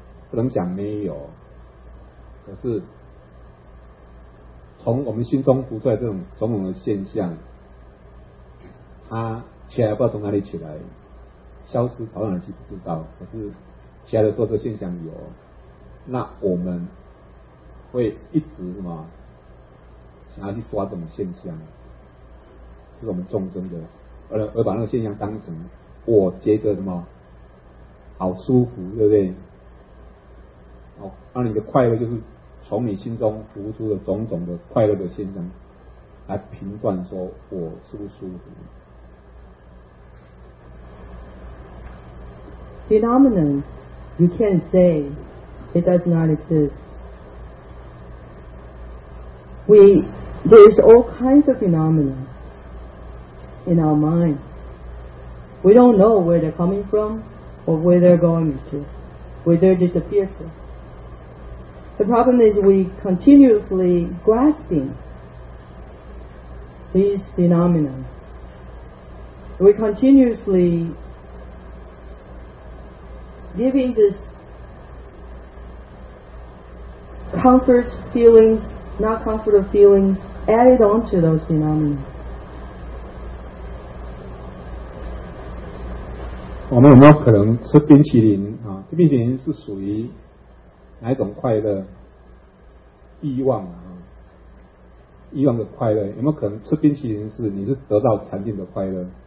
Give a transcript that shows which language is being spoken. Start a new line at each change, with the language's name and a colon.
Chinese: 不能讲没有，可是从我们心中浮出来这种种种的现象，它起来不知道从哪里起来，消失跑到哪里去不知道，可是起来的时候这现象有，那我们会一直什么想要去抓这种现象，是我们众生的，而把那个现象当成我觉得什么好舒服，对不对？哦，那你的快乐就是从你心中浮出的种种的快乐的现象来评断说我舒不舒服。
English: Phenomenon, you can't say it does not exist. There's all kinds of phenomena in our mind. We don't know where they're coming from or where they're going to, where they're disappeared from. The problem is we continuously grasping these phenomena. We continuously giving this comfort feelings, not comfortable feelings, added on to those phenomena.
Chinese: 我们有没有可能吃冰淇淋啊？吃冰淇淋是属于哪一种快乐？欲望啊，欲望的快乐，有没有可能吃冰淇淋是你是得到禅定的快乐？